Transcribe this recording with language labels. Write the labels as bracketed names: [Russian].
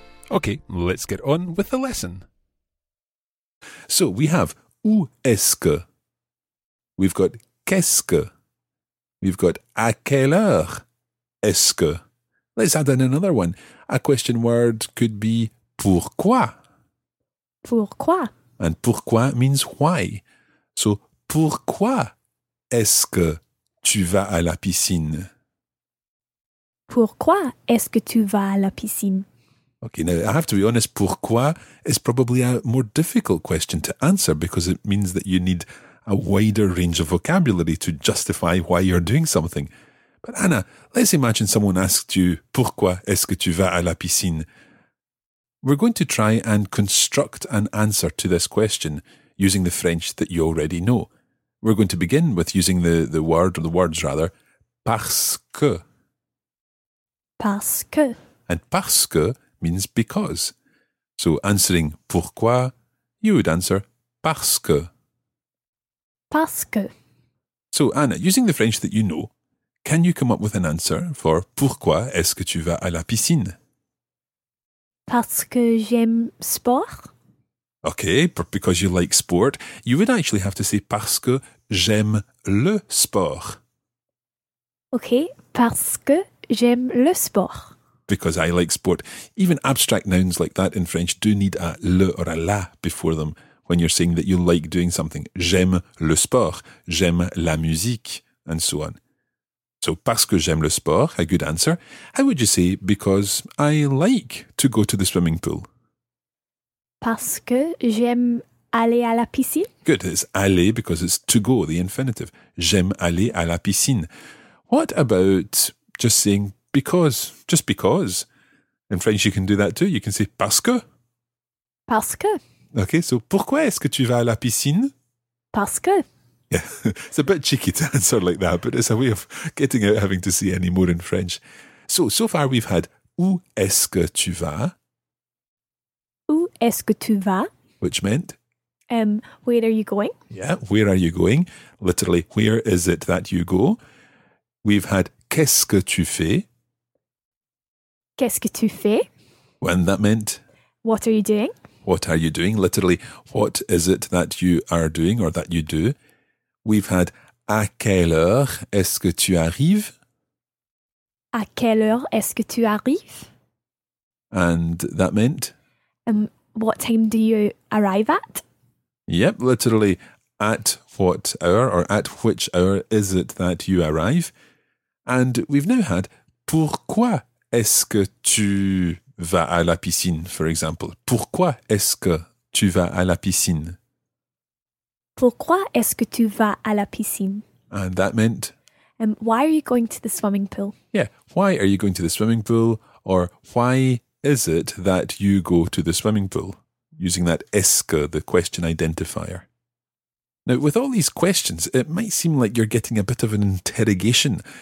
[English] Okay, let's get on with the lesson. So we have [French] où est-ce que, [English] we've got [French] qu'est-ce que, [English] we've got [French] à quelle heure est-ce que. [English] Let's add in another one. A question word could be pourquoi. [French] Pourquoi. [English] And pourquoi means why. So [French] pourquoi est-ce que tu vas à la piscine? Pourquoi est-ce que tu vas à la piscine? [English] Okay, now I have to be honest, pourquoi is probably a more difficult question to answer because it means that you need a wider range of vocabulary to justify why you're doing something. But Anna, let's imagine someone asked you, [French] pourquoi est-ce que tu vas à la piscine? [English] We're going to try and construct an answer to this question using the French that you already know. We're going to begin with using the word, or the words rather, parce que. [French] Parce que. [English] And parce que means because. So answering pourquoi, you would answer [French] parce que. Parce que. [English] So Anna, using the French that you know, can you come up with an answer for [French] pourquoi est-ce que tu vas à la piscine? Parce que j'aime sport. [English] Okay, because you like sport. You would actually have to say [French] parce que j'aime le sport. Okay, parce que j'aime le sport. [English] Because I like sport. Even abstract nouns like that in French do need a le or a la before them when you're saying that you like doing something. [French] J'aime le sport. J'aime la musique. [English] And so on. [French] So, parce que j'aime le sport, a good answer. [English] How would you say because I like to go to the swimming pool? [French] Parce que j'aime aller à la piscine. [English] Good. It's aller because it's to go, the infinitive. [French] J'aime aller à la piscine. [English] What about just saying because, just because. In French, you can do that too. You can say [French] parce que. Parce que. [English] Okay, so [French] pourquoi est-ce que tu vas à la piscine? Parce que. [English] Yeah, it's a bit cheeky to answer like that, but it's a way of getting out having to say any more in French. So far we've had [French] où est-ce que tu vas? Où est-ce que tu vas? [English] Which meant? Where are you going? Yeah, where are you going? Literally, where is it that you go? We've had [French] qu'est-ce que tu fais? Qu'est-ce que tu fais? [English] When that meant? What are you doing? What are you doing? Literally, what is it that you are doing or that you do? [French] We've had, à quelle heure est-ce que tu arrives? À quelle heure est-ce que tu arrives? [English] And that meant? What time do you arrive at? Yep, literally, at what hour or at which hour is it that you arrive? And we've now had, [French] pourquoi est-ce que tu vas à la piscine, [English] for example? [French] Pourquoi est-ce que tu vas à la piscine? Pourquoi est-ce que tu vas à la piscine? [English] And that meant? Why are you going to the swimming pool? Yeah, why are you going to the swimming pool? Or why is it that you go to the swimming pool? Using that est-ce, the question identifier. Now, with all these questions, it might seem like you're getting a bit of an interrogation.